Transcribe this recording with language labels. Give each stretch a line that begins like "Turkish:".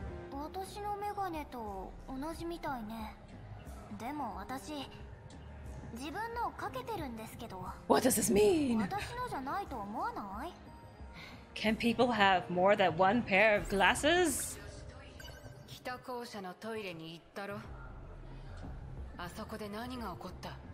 Japanese: 私のメガネと同じみたいね。でも私、自分のをかけてるんですけど。
English: What does this mean?
Japanese: 私のじゃないと思わない?
English: Can people have more than one pair of glasses?
Japanese: 北校舎のトイレに行ったろ。あそこで何が起こった?